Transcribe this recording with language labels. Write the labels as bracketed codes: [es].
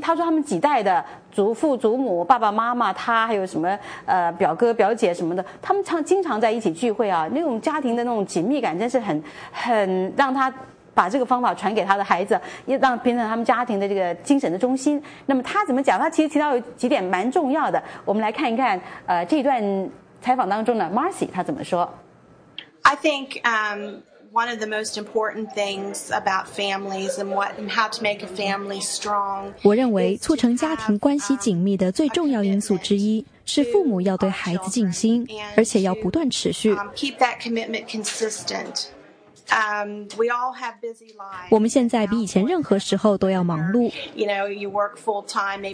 [zh] 她说他们几代的祖父祖母爸爸妈妈，他还有什么表哥表姐什么的，他们经常在一起聚会啊，那种家庭的那种紧密感真是很让他把这个方法传给他的孩子，也让变成他们家庭的这个精神的中心。那么他怎么讲，他其实提到有几点蛮重要的，我们来看一看这一段采访当中呢 Marcy 他怎么说。 [en] I think one of the most important things about families and what and how to make a family strong. [zh] 我认为促成家庭关系紧密的最重要因素之一是父母要对孩子尽心，而且要不断持续。 [en] Keep that commitment consistent. We all have busy lives. [zh] 我们现在比以前任何时候都要忙碌。 [en] You know, you work full time.